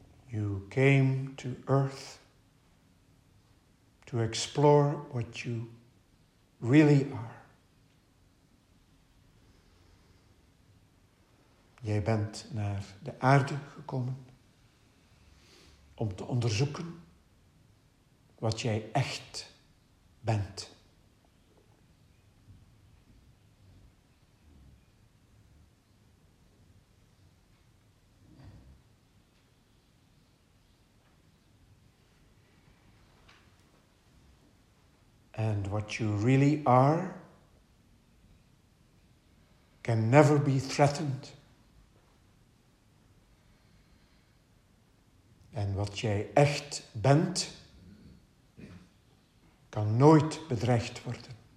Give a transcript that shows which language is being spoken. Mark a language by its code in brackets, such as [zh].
[en] You came to Earth to explore what you really are. [nl] Jij bent naar de aarde gekomen om te onderzoeken wat jij echt bent. [en] And what you really are can never be threatened. [nl] En wat jij echt bent, kan nooit bedreigd worden.